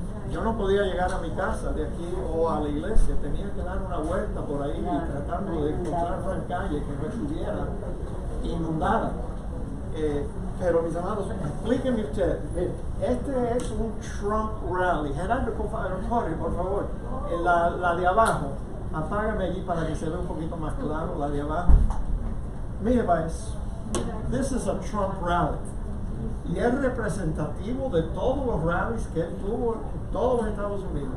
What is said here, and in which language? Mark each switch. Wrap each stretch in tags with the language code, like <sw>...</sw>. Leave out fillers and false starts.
<es>Yo no podía llegar a mi casa de aquí o a la iglesia, tenía que dar una vuelta por ahí y tratando de encontrar una calle que no estuviera inundada. Pero mis amados, explíquenme ustedes, este es un Trump rally. Gerardo, Jorge, por favor, la de abajo, apágame allí para que se vea un poquito más claro, la de abajo.</es> <en>Mire, guys, this is a Trump rally.</en> <es>Y es representativo de todos los rallies que él tuvo en todos los Estados Unidos.</es>